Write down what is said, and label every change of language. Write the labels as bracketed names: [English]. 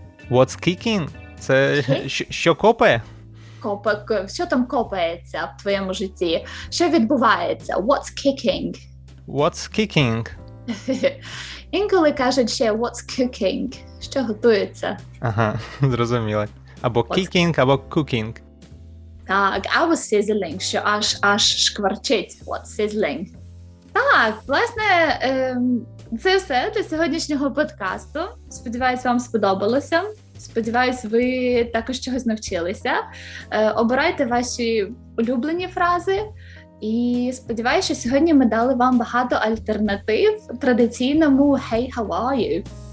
[English] «What's kicking?» [Ukrainian] Це що копає? Що там копається в твоєму житті? Що відбувається? [English] «What's kicking?» «What's kicking?» [Ukrainian] Інколи кажуть ще [English] «what's cooking?» [Ukrainian] Що готується? Ага, зрозуміло. [English] Або «what's kicking», або «cooking». [Ukrainian] Так, або «sizzling», що аж шкварчить. [English] «What's sizzling?» [Ukrainian] Так, власне, це все для сьогоднішнього подкасту. Сподіваюсь, вам сподобалося. Сподіваюсь, ви також чогось навчилися. Обирайте ваші улюблені фрази. І сподіваюся, що сьогодні ми дали вам багато альтернатив традиційному [English] «Hey, how are you?».